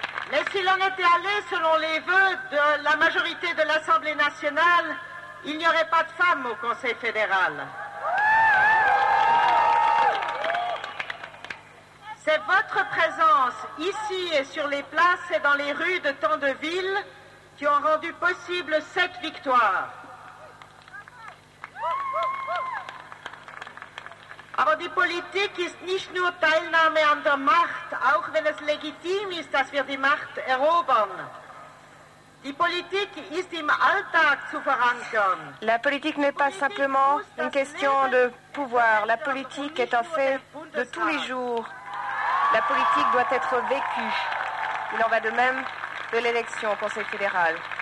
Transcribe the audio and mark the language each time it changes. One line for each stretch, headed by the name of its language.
French: Mais s'il en était allé selon les vœux de la majorité de l'Assemblée nationale, il n'y aurait pas de femmes au Conseil fédéral. C'est votre présence ici et sur les places et dans les rues de tant de villes qui ont rendu possible cette victoire.
German: Aber die Politik ist nicht nur Teilnahme an der Macht, auch wenn es legitim ist, dass wir die Macht erobern. Die Politik ist im Alltag zu verankern.
French: La politique n'est pas simplement une question de pouvoir. La politique est un fait de tous les jours. La politique doit être vécue. Il en va de même de l'élection au Conseil fédéral.